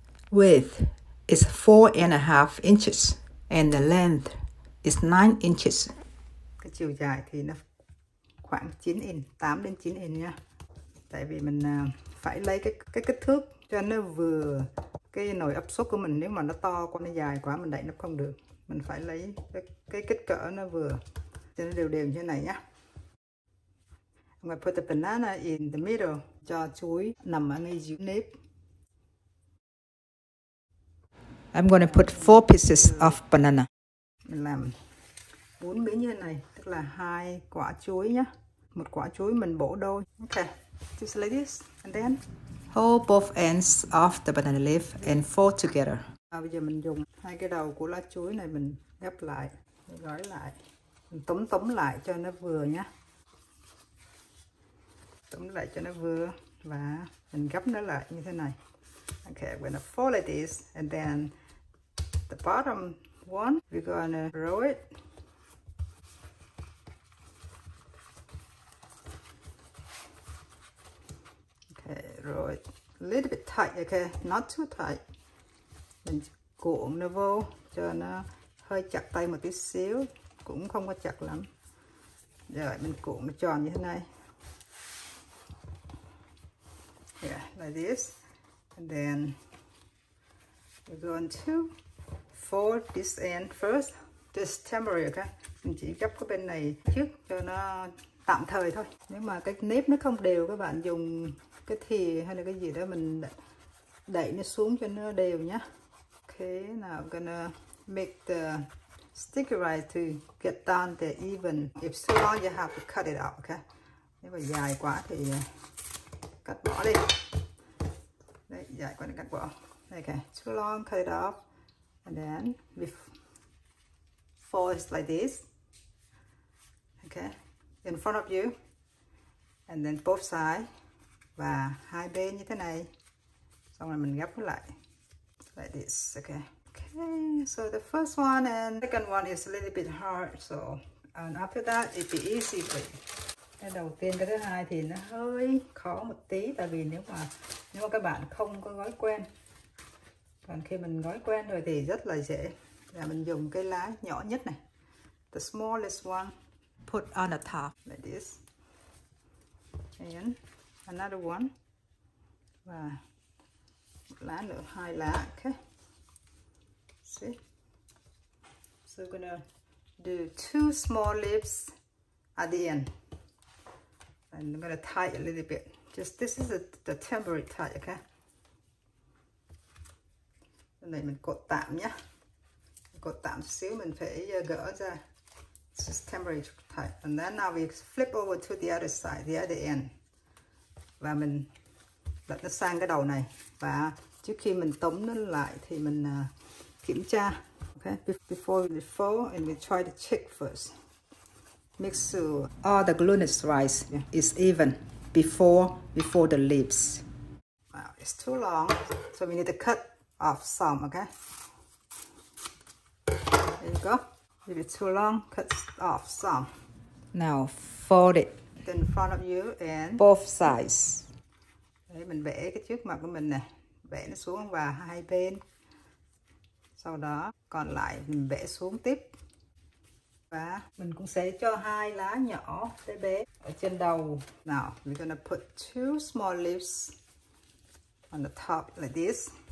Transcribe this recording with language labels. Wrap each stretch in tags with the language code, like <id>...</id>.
<en>Width is 4.5 inches and the length is 9 inches.</en> <vi>Cái chiều dài thì nó khoảng 9 inch, 8 đến 9 inch nha. Tại vì mình phải lấy cái kích thước cho nó vừa cái nồi áp suất của mình. Nếu mà nó to quá, nó dài quá mình đậy nó không được. Mình phải lấy cái kích cỡ nó vừa cho nó đều đều như thế này nhá.</vi> <en>I'm gonna put the banana in the middle,</en> <vi>cho chuối nằm ở ngay dưới nếp.</vi> <en>I'm gonna put 4 pieces of banana.</en> <vi>Mình làm 4 miếng như thế này, tức là 2 quả chuối nhá. Một quả chuối mình bổ đôi.</vi> <en>Okay, just like this, and then hold both ends of the banana leaf and fold together.</en> <vi>À, bây giờ mình dùng hai cái đầu của lá chuối này mình ghép lại, mình gói lại, mình túm túm lại cho nó vừa nhá. Tấm lại cho nó vừa và mình gấp nó lại như thế này.</vi> <en>Okay, we're gonna fold like this and then the bottom one we're gonna roll it. Okay, roll it a little bit tight, okay, not too tight.</en> <vi>Mình cuộn nó vô cho nó hơi chặt tay một tí xíu, cũng không có chặt lắm. Rồi mình cuộn nó tròn như thế này.</vi> <en>Yeah, like this, and then we're going to fold this end first. This temporary, okay?</en> <vi>Mình chỉ gấp cái bên này trước cho nó tạm thời thôi. Nếu mà cái nếp nó không đều, các bạn dùng cái thìa hay là cái gì đó mình đẩy nó xuống cho nó đều nhá.</vi> <en>Okay, now I'm gonna make the sticker right to get down the even. If too long, you have to cut it out, okay?</en> <vi>Nếu mà dài quá thì cắt bỏ đi. Đây, dài quá thì cắt bỏ.</vi> <en>Okay, too long, cut it off. And then, folds like this, okay, in front of you, and then both sides</en> <vi>và hai bên như thế này, xong rồi mình gấp lại</vi> <en>like this, okay. Okay, so the first one and second one is a little bit hard, so and after that it'd be easy for you.</en> <vi>Cái đầu tiên, cái thứ hai thì nó hơi khó một tí, tại vì nếu mà các bạn không có gói quen, còn khi mình gói quen rồi thì rất là dễ. Là mình dùng cái lá nhỏ nhất này,</vi> <en>the smallest one, put on the top like this, and another one,</en> <vi>và một lá nữa, hai lá,</vi> <en>okay. See, so we're gonna do two small leaves at the end. And I'm gonna tie a little bit. Just this is the temporary tie, okay?</en> <vi>Cái này mình cột tạm nhá. Cột tạm xíu, mình phải gỡ ra.</vi> <en>It's just temporary tie. And then now we flip over to the other side, the other end.</en> <vi>Và mình đặt nó sang cái đầu này. Và trước khi mình tống nó lại thì mình kiểm tra.</vi> <en>Okay, before we fold and we try to check first. Make sure all the glue is right, yeah. It's even before the leaves. Wow, it's too long, so we need to cut off some, okay? There you go. If it's too long, cut off some. Now fold it. In front of you and both sides.</en> <vi>Đấy, mình vẽ cái trước mặt của mình này, vẽ nó xuống và hai bên. Sau đó còn lại mình vẽ xuống tiếp. Và mình cũng sẽ cho hai lá nhỏ bé bé ở trên đầu.</vi> <en>Now, we're gonna put two small leaves on the top like this.</en>